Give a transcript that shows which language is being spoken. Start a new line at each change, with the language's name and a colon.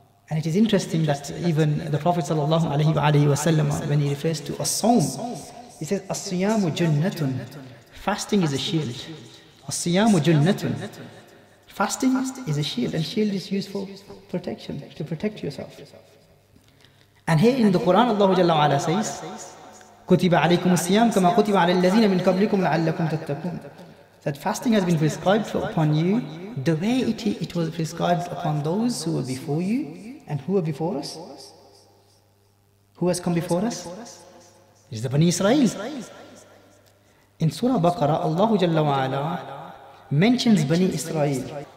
English: And it is interesting that even the Prophet sallallahu alayhi wa alayhi wa sallam, when he refers to as-sawm, he says,
Arabic: as-siyamu junnatun.
English: Fasting is a shield.
Arabic: As-siyamu junnatun.
English: Fasting is a shield, and shield is used for protection, to protect yourself.
Arabic: And here in the Quran, Allah Jalla wa Ala says, كُتِبَ عَلَيْكُمُ السِّيَامُ كَمَا قُتِبَ عَلَى الَّذِينَ مِنْ قَبْلِكُمْ لَعَلَّكُمْ تَتَّقُونَ.
English: That fasting has been prescribed upon you the way it was prescribed upon those who were before you. And who are before us? Who has come before us? It is the Bani Israel. In Surah Baqarah, Allah Jalla wa Ala mentions Bani Israel.